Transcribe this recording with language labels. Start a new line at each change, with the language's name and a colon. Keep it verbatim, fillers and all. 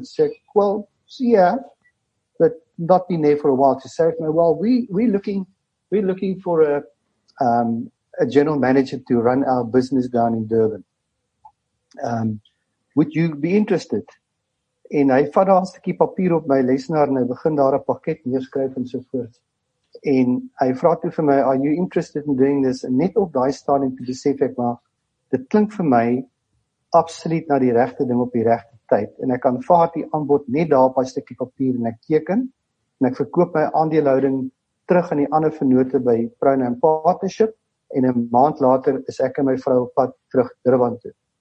Afrikaans: Sê ek,
English: well, yeah, but not been there for a while. She said, well, we, we're looking, we're looking for a, um, a general manager to run our business down in Durban. Um, would you be interested?
Afrikaans: En hy vat daar 'n stukkie papier op my lesenaar en hy begin daar 'n pakket neerskryf en so voort. En hy vra toe vir my,
English: are you interested in doing this?
Afrikaans: En net op daai stadium toe besef ek maar, dit klink vir my absoluut na die regte ding op die regte tyd. En ek aanvaar die aanbod net daar op 'n stukkie papier en ek teken en ek verkoop my aandelehouding terug aan die ander vennote by Pronam Partnership en 'n maand later is ek en my vrou op pad terug Durban toe.